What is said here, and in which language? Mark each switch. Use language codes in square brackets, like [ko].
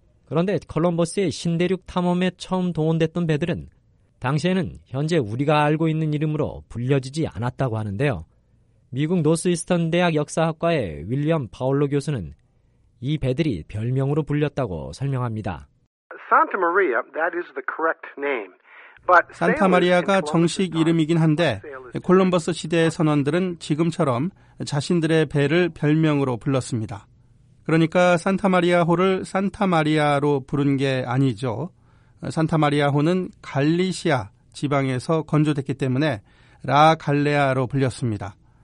[ko] 그런데 콜럼버스의 신대륙 탐험에 처음 동원됐던 배들은 당시에는 현재 우리가 알고 있는 이름으로 불려지지 않았다고 하는데요. 미국 노스이스턴 대학 역사학과의 윌리엄 파울로 교수는 이 배들이 별명으로 불렸다고 설명합니다. [en] Santa Maria, that is the correct name. [ko] 산타마리아가 정식 이름이긴 한데 콜럼버스 시대의 선원들은 지금처럼 자신들의 배를 별명으로 불렀습니다. 그러니까 산타마리아 호를 산타마리아로 부른 게 아니죠. 산타마리아 호는 갈리시아 지방에서 건조됐기 때문에 라 갈레아로 불렸습니다.